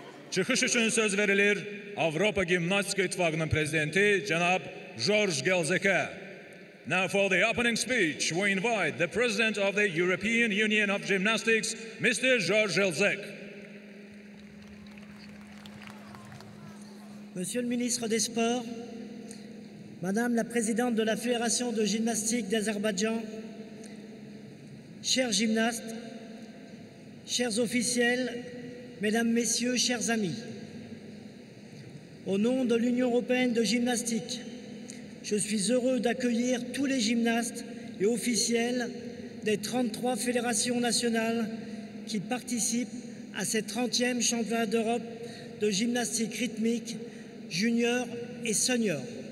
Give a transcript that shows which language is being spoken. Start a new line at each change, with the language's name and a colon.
Azerbaijani: Çıxış üçün söz verilir Avropa Gimnastika İtfaqının prezidenti, Cənab George Gelzeke.
English: Now for the opening speech, we invite the President of the European Union of Gymnastics, Mr. George Gelzek.
French: Monsieur le ministre des Sports, Madame la présidente de la Fédération de gymnastique d'Azerbaïdjan, chers gymnastes, chers officiels, mesdames, messieurs, chers amis, au nom de l'Union européenne de gymnastique, je suis heureux d'accueillir tous les gymnastes et officiels des 33 fédérations nationales qui participent à ces 30e championnat d'Europe de gymnastique rythmique junior et senior.